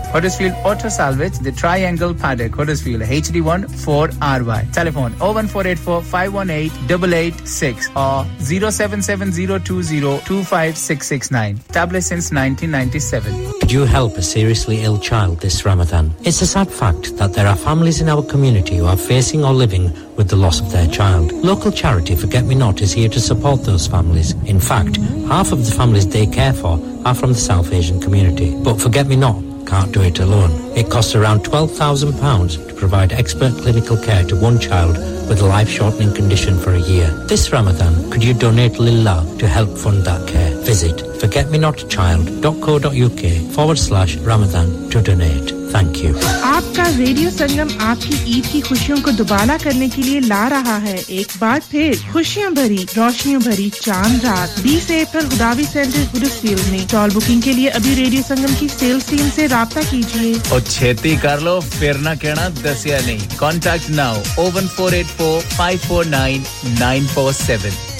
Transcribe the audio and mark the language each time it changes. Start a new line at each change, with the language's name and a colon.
English: Huddersfield Auto Salvage the Triangle Paddock Huddersfield HD1 4RY telephone 01484518886 or 0770202569 tablet since 1997 you help a seriously ill child this Ramzan it's a sad fact that there are families in our community who are facing or living with the loss of their child. Local charity Forget Me Not is here to support those families. In fact, half of the families they care for are from the South Asian community. But Forget Me Not can't do it alone. It costs around £12,000 to provide expert clinical care to one child with a life-shortening condition for a year. This Ramadan, could you donate Lilla to help fund that care? Visit forgetmenotchild.co.uk/Ramadan to donate. Thank you.
Hindi: आपका radio संगम आपकी ईद की खुशियों को दुबला करने के लिए ला रहा है एक बार फिर खुशियां भरी रोशनियों भरी चांद रात 20 अप्रैल हुदावी सेंटर हुदसफील्ड में टॉल बुकिंग के लिए अभी रेडियो संगम की सेल्स टीम से राबता कीजिए
Punjabi: और छेती कर लो फिर ना कहना दसिया नहीं
English: contact now
Punjabi: 01484549947